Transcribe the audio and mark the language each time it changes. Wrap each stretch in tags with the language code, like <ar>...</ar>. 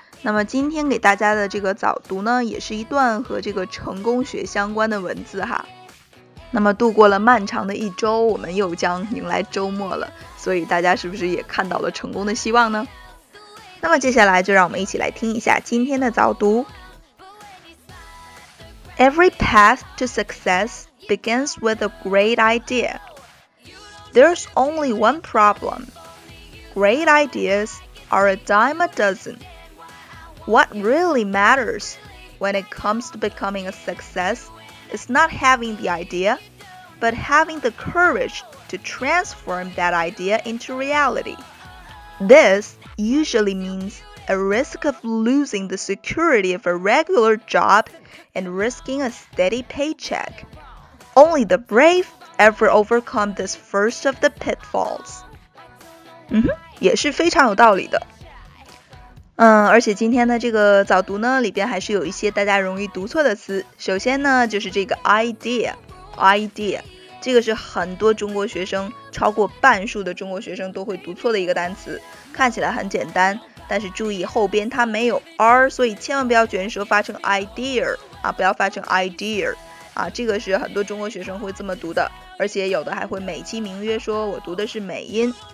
<zh>那么今天给大家的这个早读呢，也是一段和这个成功学相关的文字哈。那么度过了漫长的一周，我们又将迎来周末了，所以大家是不是也看到了成功的希望呢？那么接下来就让我们一起来听一下今天的早读。</zh> <en>Every path to success begins with a great idea. There's only one problem. Great ideas are a dime a dozen. What really matters when it comes to becoming a successIt's not having the idea, but having the courage to transform that idea into reality. This usually means a risk of losing the security of a regular job and risking a steady paycheck. Only the brave ever overcome this first of the pitfalls.</en> <zh>也是非常有道理的。而且今天的这个早读呢，里边还是有一些大家容易读错的词。首先呢，就是这个 idea， 这个是很多中国学生，超过半数的中国学生都会读错的一个单词。看起来很简单，但是注意后边它没有 r， 所以千万不要卷舌发成 idea 啊，不要发成 idea 啊，这个是很多中国学生会这么读的，而且有的还会美其名曰说我读的是美音。</zh>